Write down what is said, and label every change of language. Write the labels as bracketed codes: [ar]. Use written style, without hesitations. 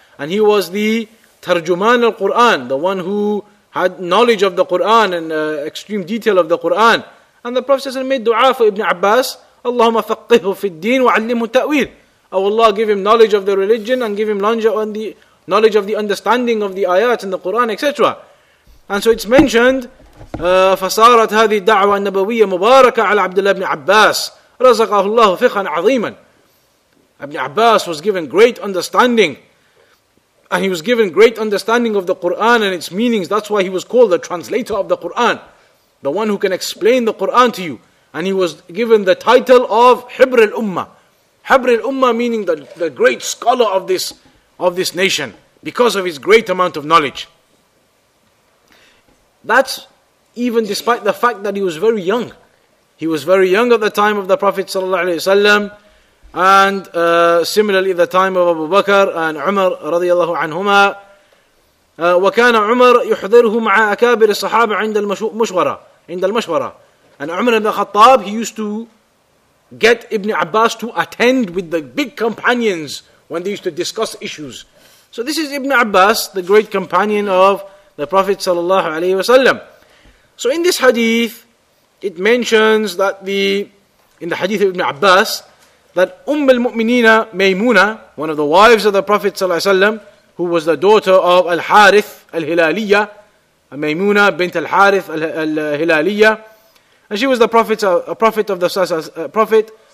[en] And he was the Tarjuman al-Quran, the one who had knowledge of the Quran and extreme detail of the Quran. And the Prophet ﷺ made dua for Ibn Abbas. [ar] Allahumma faqqihu fi al-deen wa 'allimhu ta'wil. [en] Oh Allah, give him knowledge of the religion and give him knowledge of the understanding of the ayat and the Quran, etc. And so it's mentioned, [ar] فصارت هذه الدعوة النبوية مباركة على عبد الله بن عباس رزقه الله فقها عظيما. [en] Ibn Abbas was given great understanding, and he was given great understanding of the Quran and its meanings. That's why he was called the translator of the Quran, the one who can explain the Quran to you. And he was given the title of Hibr al-Ummah. Hibr al-Ummah meaning the great scholar of this nation because of his great amount of knowledge. That's even despite the fact that he was very young. He was very young at the time of the Prophet ﷺ, and similarly the time of Abu Bakr and Umar radiallahu anhuma. [ar] وكان عمر يحضره مع أكابر الصحابة عند المشورة عند المشورة. [en] And Umar ibn Khattab, he used to get Ibn Abbas to attend with the big companions when they used to discuss issues. So this is Ibn Abbas, the great companion of the Prophet sallallahu alaihi wasallam. So in this hadith, it mentions that in the hadith of Ibn Abbas, that Umm al-Mu'minina Maymuna, one of the wives of the Prophet sallallahu alaihi wasallam, who was the daughter of Al-Harith Al-Hilaliyya, Maymuna bint Al-Harith Al-Hilaliyya, and she was the prophet of the Prophet